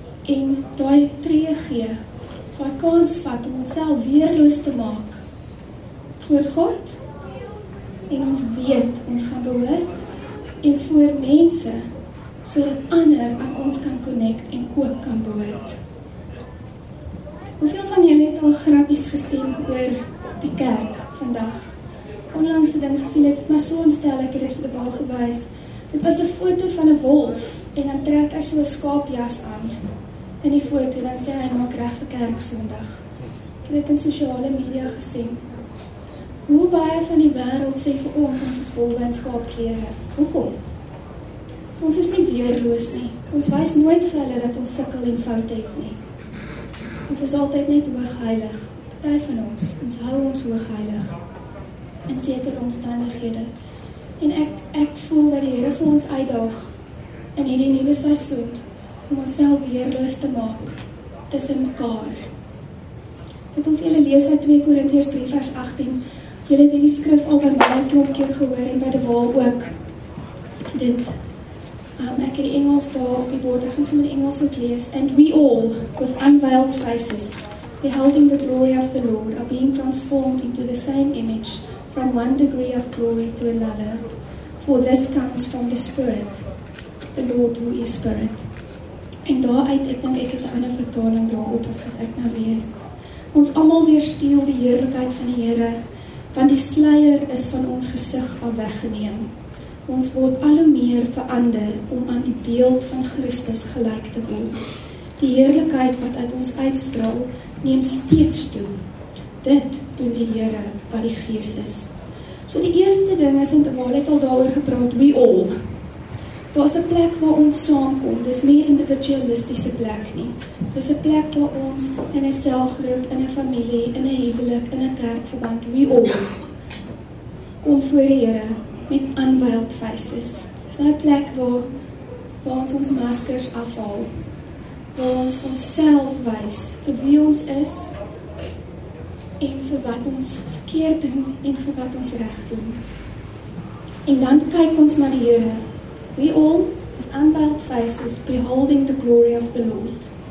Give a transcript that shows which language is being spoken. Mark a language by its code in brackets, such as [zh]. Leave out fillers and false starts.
[af] En daai tree gee, daai kans vat om onsself weerloos te maak voor God, en ons weet ons gaan behoort, en voor mense, sodat ander aan ons kan connect en ook kan behoort. Hoeveel van julle het al grappies gesien oor die kerk vandag? Onlangs die ding gesien het, maar so ontstel, ek het dit wel gewys, Dit was 'n foto van 'n wolf en dan trek hy so 'n skaapjas aan. In die foto dan sê hy maak reg vir kerk Sondag. Ek het dit in sosiale media gesien. Hoe baie van die wêreld sê vir ons ons is wolwe in skaapklere. Hoekom? Ons is nie weerloos nie. Ons wys nooit vir hulle dat ons sukkel en foute het nie. Ons is altyd net hoogheilig. Party van ons, ons hou ons hoogheilig in sekere omstandighede. En ek voel dat die Here vir ons uitdaag in hierdie nuwe seisoen om onsself weerloos te maak tussen mekaar. Ek wil vir julle lees uit 2 Korintiërs 3 vers 18. Julle het hierdie skrif al by my klomp keer gehoor en by die Waal ook. Dit ek het die Engels daar op die bord, ek gaan sommer die Engels ook lees. [en] And we all with unveiled faces beholding the glory of the Lord are being transformed into the same image from one degree of glory to another, for this comes from the Spirit, the Lord who is Spirit. [af] En daaruit, ek dink ek het 'n ander vertaling daarop as wat ek nou lees. Ons almal weerspieël die heerlikheid van die Here, want die sluier is van ons gesig al weggeneem. Ons word al hoe meer verander om aan die beeld van Christus gelyk te word. Die heerlikheid wat uit ons uitstraal, neem steeds toe. Dit doen die Here wat die Gees is. So die eerste ding is, en terwyl het al daaroor gepraat, we all. Daar's 'n plek waar ons saamkom. Dis nie 'n individualistiese plek nie. Dis 'n plek waar ons in 'n selgroep, in 'n familie, in 'n huwelik, in 'n kerkverband, we all kom voor die Here met unveiled faces. Dis nou 'n plek waar ons ons maskers afhaal. Waar ons onsself wys vir wie ons is en vir wat ons verkeerd doen en vir wat ons reg doen. En dan kyk ons na die Here. [en] We all, with unveiled faces, beholding the glory of the Lord.